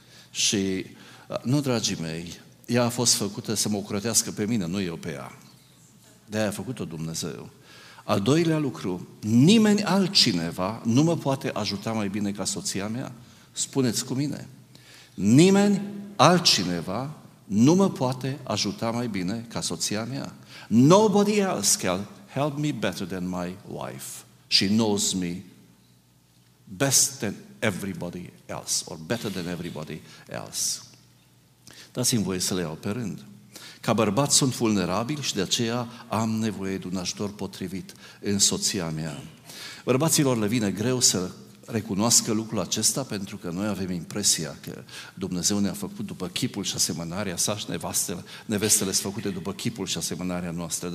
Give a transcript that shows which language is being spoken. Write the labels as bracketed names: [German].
[Romanian] Și nu, dragii mei, ea a fost făcută să mă ocrotească pe mine, nu eu pe ea. De-aia a făcut-o Dumnezeu. Al doilea lucru, nimeni altcineva nu mă poate ajuta mai bine ca soția mea. Spuneți cu mine. Nimeni altcineva nu mă poate ajuta mai bine ca soția mea. [English] Nobody else can help me better than my wife. She knows me best than everybody else or better than everybody else. [Romanian] Dați-mi voie să le iau pe rând. Ca bărbat sunt vulnerabil și de aceea am nevoie de un ajutor potrivit în soția mea. Bărbaților le vine greu să recunoască lucrul acesta pentru că noi avem impresia că Dumnezeu ne-a făcut după chipul și asemănarea sa și nevestele sunt făcute după chipul și asemănarea noastră.